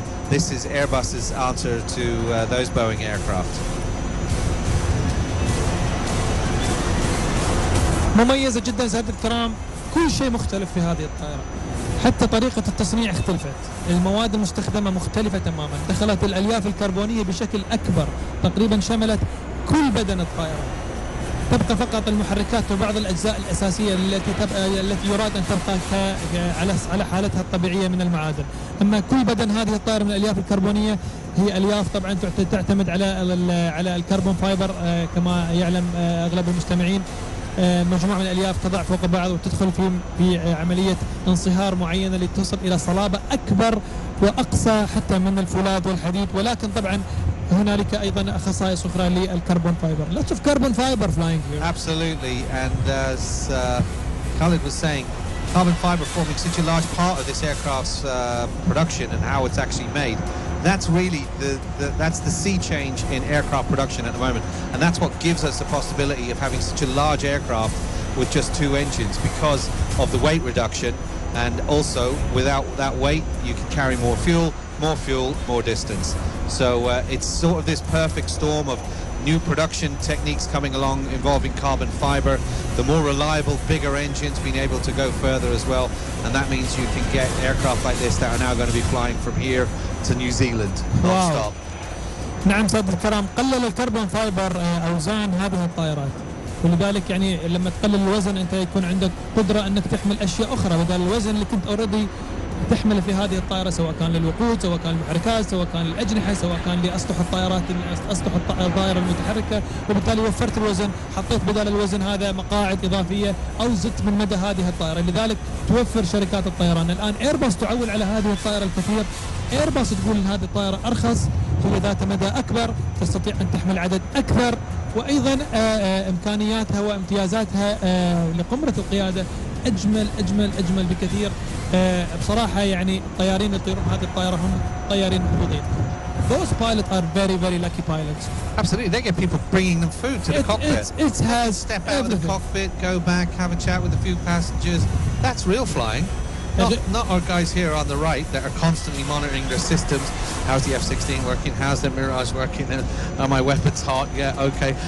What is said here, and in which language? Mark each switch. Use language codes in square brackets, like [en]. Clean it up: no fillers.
[en] This is Airbus's answer to those Boeing aircraft. [ar] مميزة جدا زيادة الكرام كل شيء مختلف في هذه الطائرة حتى طريقة التصنيع اختلفت المواد المستخدمة مختلفة تماما دخلت الألياف الكربونية بشكل أكبر تقريبا شملت كل بدن الطائرة تبقى فقط المحركات وبعض الأجزاء الأساسية التي يراد أن تبقى على حالتها الطبيعية من المعادن أما كل بدن هذه الطائرة من الألياف الكربونية هي ألياف طبعا تعتمد على الكربون فايبر كما يعلم أغلب المستمعين مجموعة من الألياف تضع فوق بعض وتدخل في عملية انصهار معينة لتصل إلى صلابة أكبر وأقصى حتى من الفولاذ والحديد ولكن طبعا هنالك أيضا خصائص أخرى للكربون فايبر. [en] Lots of carbon fiber flying here. Absolutely, and as Khalid was saying, carbon fiber forming such a large part of this aircraft's production and how it's actually made. That's really the sea change in aircraft production at the moment. And that's what gives us the possibility of having such a large aircraft with just two engines because of the weight reduction. And also, without that weight, you can carry more fuel, more distance. So it's sort of this perfect storm of new production techniques coming along involving carbon fiber, the more reliable, bigger engines being able to go further as well. And that means you can get aircraft like this that are now going to be flying from here to New Zealand, non-stop. [ar] نعم سيد الكرام قلل الكربون فايبر أوزان هذه الطائرات ولذلك يعني لما تقلل الوزن أنت يكون عندك قدرة أنك تحمل أشياء أخرى بدل الوزن اللي كنت أوريدي تحمل في هذه الطائرة سواء كان للوقود سواء كان للمحركات سواء كان للأجنحة سواء كان لأسطح الطائرات أسطح الطائرة المتحركة وبالتالي وفرت الوزن حطيت بدل الوزن هذا مقاعد إضافية أو زدت من مدى هذه الطائرة لذلك توفر شركات الطيران الآن إيرباص تعول على هذه الطائرة الكثير إيرباص تقول إن هذه الطائرة أرخص هي ذات مدى أكبر تستطيع أن تحمل عدد أكبر وأيضا إمكانياتها وامتيازاتها لقمرة القيادة أجمل أجمل أجمل بكثير بصراحة يعني الطيارين اللي يطيرون هذه الطائرة هم طيارين محظوظين [en] Those pilots are very, very lucky pilots. Absolutely. They get people bringing them food to the cockpit. It has Step out of the cockpit, go back, have a chat with a few passengers. That's real flying. Not our guys here on the right that are constantly monitoring their systems. How's the F-16 working? How's the Mirage working? Are my weapons hot? Yeah, okay.